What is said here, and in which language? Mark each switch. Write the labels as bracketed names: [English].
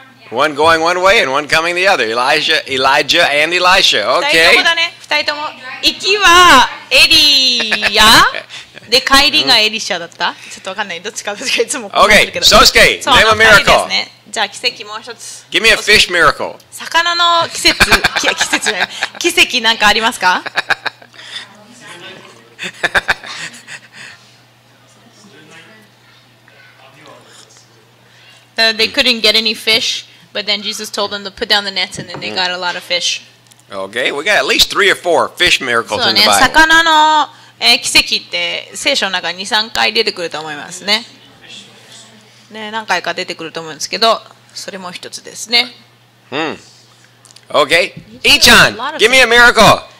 [English] One going one way and one coming the other. Elijah and Elisha. Okay. [Japanese] 二人ともだね。二人とも。行きはエリア。で、帰りがエリシャだった、うん、ちょっとわかんない、どっちかどっちかいつも困るけど OK、Sosuke、そうね、 [English] Name a miracle [Japanese] じゃあ奇跡もう一つ [English] Give me a fish miracle [Japanese] 魚の奇跡、奇跡じゃない、奇跡なんかありますか [English] they couldn't get any fish, but then Jesus told them to put down the nets, and then they got a lot of fish. Okay, we got at least three or four fish miracles in the Bible. [Japanese] そうね、魚の、奇跡って聖書の中に 2,3 回出てくると思いますね。ね、何回か出てくると思うんですけど、それも一つですね。 [English] うん。Okay, Ichan, give me a miracle.